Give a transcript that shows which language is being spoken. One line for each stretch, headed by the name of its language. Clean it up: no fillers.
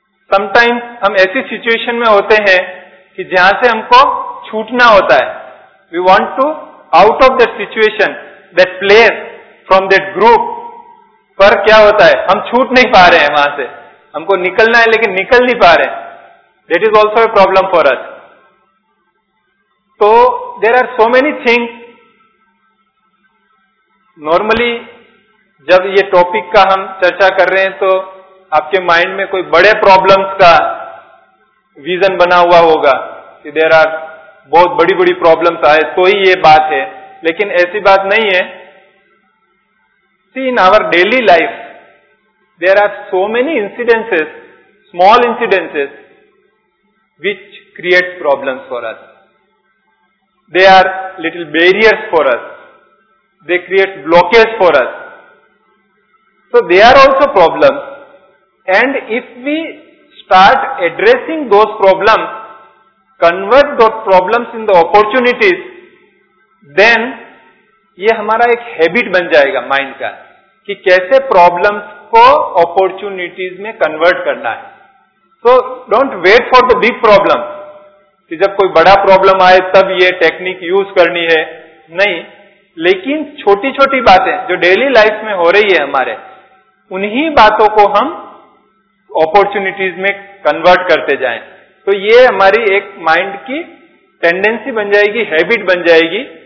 Urdu: Some times ہم ایسی situation میں ہوتے ہیں کہ جہاں سے ہم کو چھوٹنا ہوتا ہے، we want to out of that situation, that place, from that group, پر کیا ہوتا ہے، ہم چھوٹ نہیں پا رہے ہیں وہاں سے، ہم کو نکلنا ہے لیکن نکل نہیں پا رہے ہیں.
English: That is also a problem for us. So there are so many things.
Urdu: Normally جب یہ topic کا ہم چرچا کر رہے ہیں تو آپ کے مائنڈ میں کوئی بڑے پرابلمس کا ویژن بنا ہوا ہوگا کہ دیر آر بہت بڑی بڑی پرابلمس آئے تو ہی یہ بات ہے، لیکن ایسی بات نہیں ہے.
English: See in our daily life there are so many incidences, small incidences which creates problems for us. They are little barriers for us. They create blockages for us. So they are also problems. And if we start addressing those problems, convert those problems into opportunities, then ye hamara ek habit ban jayega mind ka, ki kaise problems ko opportunities mein convert karna hai. So don't wait for the big problem.
Urdu: کہ جب کوئی بڑا problem آئے تب یہ technique use کرنی ہے، نہیں. لیکن چھوٹی چھوٹی باتیں جو ڈیلی لائف میں ہو رہی ہے ہمارے، انہیں باتوں کو ہم اپرچونیٹیز میں کنورٹ کرتے جائیں، تو یہ ہماری ایک مائنڈ کی ٹینڈینسی بن جائے گی، ہیبٹ بن جائے گی.